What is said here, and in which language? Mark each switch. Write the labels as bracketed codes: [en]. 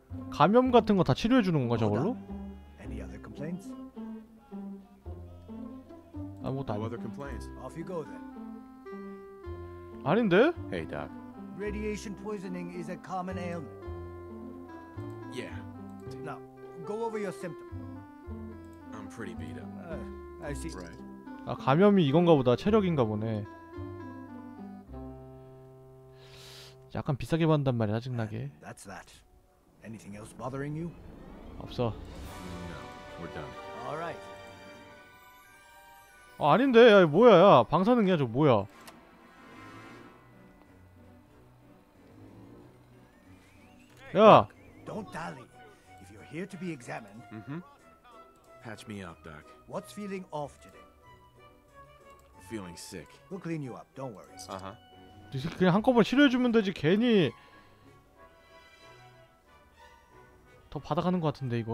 [ko] 감염 같은 거 다 치료해 주는 건가 저걸로? [en] Any other complaints? [ko] 아무것도 아니. [en] No other complaints. Off you go then. [ko] 아닌데? [en] Hey doc. Radiation poisoning is a common ailment. Yeah. Now, go over your symptoms. I'm pretty beat up. I see. Right. [ko] 아, 감염이 이건가 보다. 체력인가 보네. 약간 비싸게 받는단 말이야, 짜증나게. [en] That's that. Anything else bothering you? [ko] 없어. [en] No, we're done. All right. [ko] 아, 아닌데. 야, 뭐야, 야. 방사능이야, 저 뭐야? 야. [en] Don't dally. If you're here to be examined. Mm-hmm. Patch me up, doc. What's feeling off today? Feeling sick. We'll clean you up. Don't worry. Uh-huh. [ko] 그냥 한꺼번에 치료해 주면 되지. 괜히 더 받아가는 것 같은데 이거.